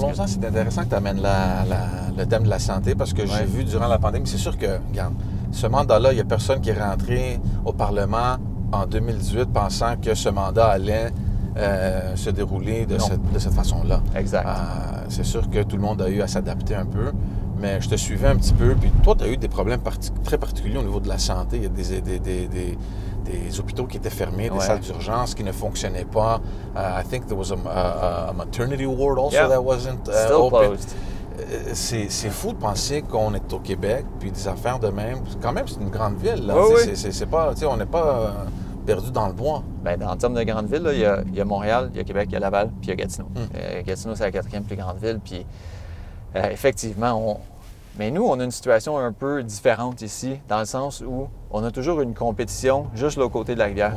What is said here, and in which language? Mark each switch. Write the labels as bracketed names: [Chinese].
[French] Parlons-en, c'est intéressant que tu amènes le thème de la santé, parce que j'ai vu durant la pandémie, c'est sûr que, regarde, ce mandat-là, il n'y a personne qui est rentré au Parlement en 2018 pensant que ce mandat allait se dérouler de cette façon-là. Exact. C'est sûr que tout le monde a eu à s'adapter un peu, mais je te suivais un petit peu, puis toi, tu as eu des problèmes très particuliers au niveau de la santé. Il y a des hôpitaux qui étaient fermés, des salles d'urgence qui ne fonctionnaient pas. [English] I think there was a maternity ward also that wasn't still open. Closed. [French] C'est fou de penser qu'on est au Québec, puis des affaires de même. Quand même, c'est une grande ville. Là. Oui. On n'est pas perdu dans le bois. Bien, en termes de grande ville, il y a Montréal, il y a Québec, il y a Laval, puis il y a Gatineau. Mm. Gatineau, c'est la quatrième plus grande ville. Puis effectivement, mais nous, on a une situation un peu différente ici, dans le sens où on a toujours une compétition juste là, au côté de la rivière.